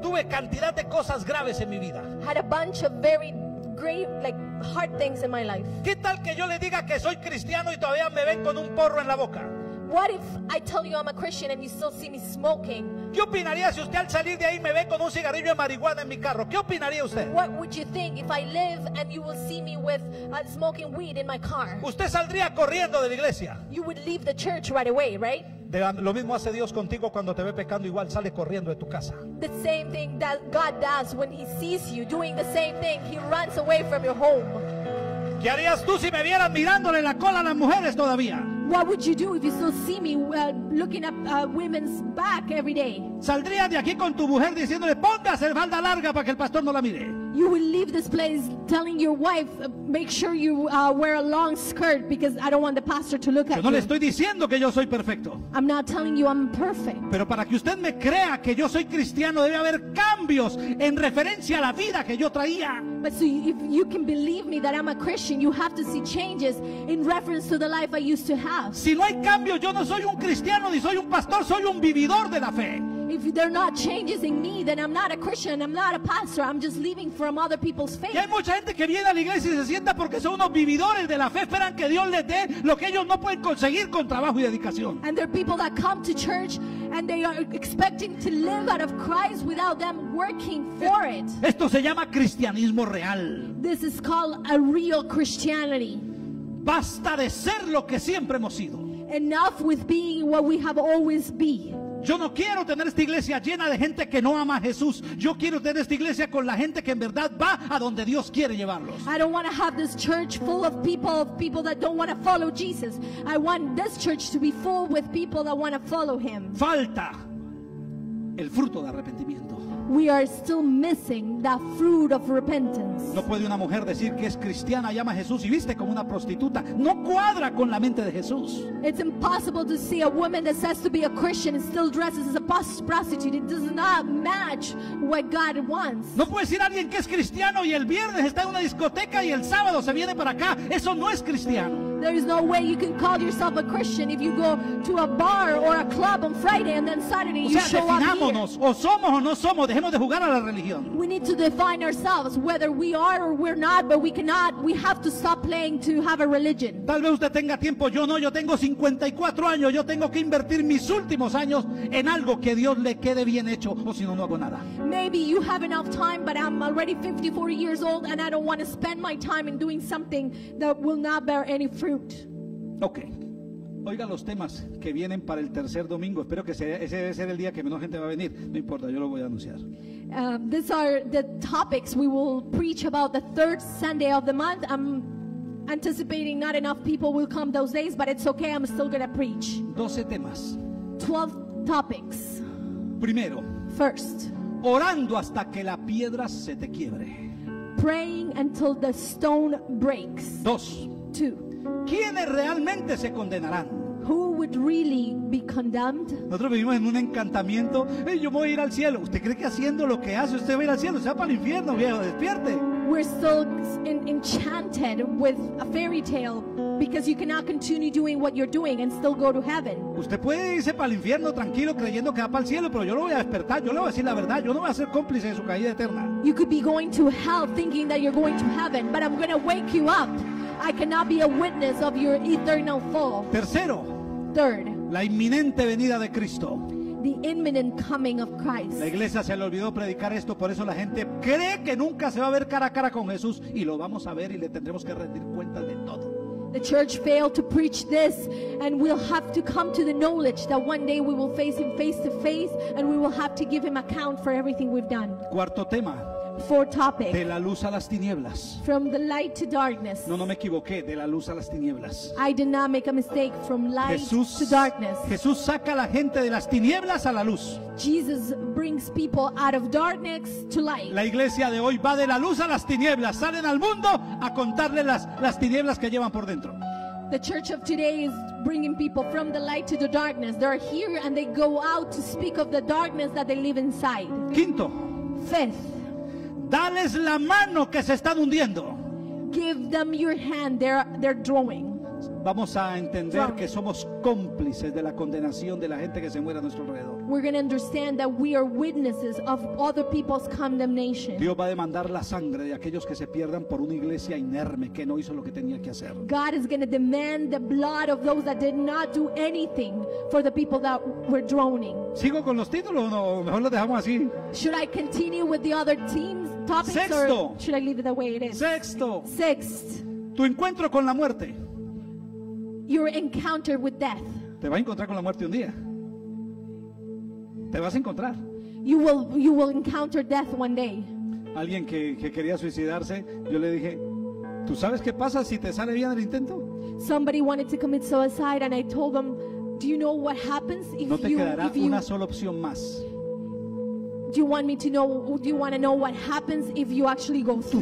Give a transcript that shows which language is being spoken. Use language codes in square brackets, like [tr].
[es] Tuve cantidad de cosas graves en mi vida. [en] Had a bunch of very great, like, hard things in my life. [es] ¿Qué tal que yo le diga que soy cristiano y todavía me ven con un porro en la boca? [en] What if I tell you I'm a Christian and you still see me smoking? [es] ¿Qué opinaría si usted al salir de ahí me ve con un cigarrillo de marihuana en mi carro? ¿Qué opinaría usted? [en] What would you think if I live and you will see me with smoking weed in my car? [es] ¿Usted saldría corriendo de la iglesia? [en] You would leave the church right away, right? [es] Lo mismo hace Dios contigo cuando te ve pecando, igual sale corriendo de tu casa. [en] The same thing that God does when he sees you doing the same thing, he runs away from your home. [es] ¿Qué harías tú si me vieras mirándole la cola a las mujeres todavía? [en] What would you do if you still see me looking at women's back every day? [es] Saldría de aquí con tu mujer diciéndole, póngase falda larga para que el pastor no la mire. [en] You will leave this place telling your wife, make sure you wear a long skirt because I don't want the pastor to look at you. [es] Yo no le estoy diciendo que yo soy perfecto. [en] I'm not telling you I'm perfect. [es] Pero para que usted me crea que yo soy cristiano, debe haber cambios en referencia a la vida que yo traía. [en] But so if you can believe me that I'm a Christian, you have to see changes in reference to the life I used to have. [es] Si no hay cambios, yo no soy un cristiano ni soy un pastor, soy un vividor de la fe. [en] If there are not changes in me, then I'm not a Christian, I'm not a pastor, I'm just living from other people's faith. [es] Y hay mucha gente que viene a la iglesia y se sienta porque son unos vividores de la fe, esperan que Dios les dé lo que ellos no pueden conseguir con trabajo y dedicación. [en] And there are people that come to church and they are expecting to live out of Christ without them working for it. [es] Esto se llama cristianismo real. [en] This is called a real Christianity. [es] Basta de ser lo que siempre hemos sido. [en] Enough with being what we have always been. [es] Yo no quiero tener esta iglesia llena de gente que no ama a Jesús. Yo quiero tener esta iglesia con la gente que en verdad va a donde Dios quiere llevarlos. [en] I don't want to have this church full of people that don't want to follow Jesus. I want this church to be full with people that want to follow him. [es] Falta el fruto de arrepentimiento. [en] We are still missing that fruit of repentance. [es] No puede una mujer decir que es cristiana y ama a Jesús y viste como una prostituta. No cuadra con la mente de Jesús. [en] It's impossible to see a woman that says to be a Christian and still dresses as a prostitute. It does not match what God wants. [es] No puede decir alguien que es cristiano y el viernes está en una discoteca y el sábado se viene para acá. Eso no es cristiano. [en] There is no way you can call yourself a Christian if you go to a bar or a club on Friday and then Saturday you show up here. [es] Definámonos, o somos o no somos. Dejemos de jugar a la religión. [en] We need to define ourselves whether we are or we're not, but we have to stop playing to have a religion. [es] Tal vez usted tenga tiempo, yo no, yo tengo 54 años, yo tengo que invertir mis últimos años en algo que Dios le quede bien hecho o si no, no hago nada. [en] Maybe you have enough time, but I'm already 54 years old and I don't want to spend my time in doing something that will not bear any fruit. Okay. [es] Oiga los temas que vienen para el tercer domingo. Espero que ese debe ser el día que menos gente va a venir. No importa, yo lo voy a anunciar. [en] These are the topics we will preach about the third Sunday of the month. I'm anticipating not enough people will come those days, but it's okay, I'm still going to preach. [es] 12 temas. [en] 12 topics. [es] Primero. [en] First. [es] orando hasta que la piedra se te quiebre. [en] Praying until the stone breaks. [es] Dos. [en] Two. [es] ¿Quiénes realmente se condenarán? [en] Who would really be condemned? [es] Nosotros vivimos en un encantamiento. Hey, yo voy a ir al cielo. ¿Usted cree que haciendo lo que hace usted va a ir al cielo? Se va para el infierno, viejo, despierte. [en] We're still enchanted with a fairy tale because you cannot continue doing what you're doing and still go to heaven. [es] Usted puede irse para el infierno tranquilo creyendo que va para el cielo, pero yo lo voy a despertar, yo le voy a decir la verdad, yo no voy a ser cómplice de su caída eterna. [en] You could be going to hell thinking that you're going to heaven, but I'm going to wake you up. I cannot be a witness of your eternal fall. [es] Tercero. [en] Third. [es] La inminente venida de Cristo. [en] The imminent coming of Christ. [es] La iglesia se le olvidó predicar esto, por eso la gente cree que nunca se va a ver cara a cara con Jesús, y lo vamos a ver y le tendremos que rendir cuentas de todo. [en] The church failed to preach this, and we'll have to come to the knowledge that one day we will face him face to face, and we will have to give him account for everything we've done. [es] Cuarto tema. [en] Four topic. [es] De la luz a las tinieblas. [en] From the light to darkness. [es] No, no me equivoqué. De la luz a las tinieblas. [en] I did not make a mistake. From light [es] Jesús, [en] to darkness. [es] Jesús saca a la gente de las tinieblas a la luz. [en] Jesus brings people out of darkness to light. [es] La iglesia de hoy va de la luz a las tinieblas. Salen al mundo a contarle las tinieblas que llevan por dentro. [en] The church of today is bringing people from the light to the darkness. They are here and they go out to speak of the darkness that they live inside. [es] Quinto. [en] Fifth. [es] Dales la mano que se están hundiendo. [en] Give them your hand. They're drawing. [es] Vamos a entender drawing. Que somos cómplices de la condenación de la gente que se muere a nuestro alrededor. [en] We're going to understand that we are witnesses of other people's condemnation. [es] Dios va a demandar la sangre de aquellos que se pierdan por una iglesia inerme que no hizo lo que tenía que hacer. [en] God is going to demand the blood of those that did not do anything for the people that were drowning. [es] ¿Sigo con los títulos o no? Mejor los dejamos así. [en] Should I continue with the other teams topics? [es] Sexto. [en] Or should I leave it the way it is? [es] Sexto. [en] Sixth. [es] Tu encuentro con la muerte. [en] Your encounter with death. [es] Te vas a encontrar con la muerte un día. Te vas a encontrar. [en] You will encounter death one day. [es] Alguien que quería suicidarse, yo le dije, ¿tú sabes qué pasa si te sale bien el intento? [en] Somebody wanted to commit suicide and I told them, do you know what happens if [es] no te [en] you, [es] quedará [en] if you, [es] una sola opción más. [en] Do you want me to know? Do you want to know what happens if you actually go through?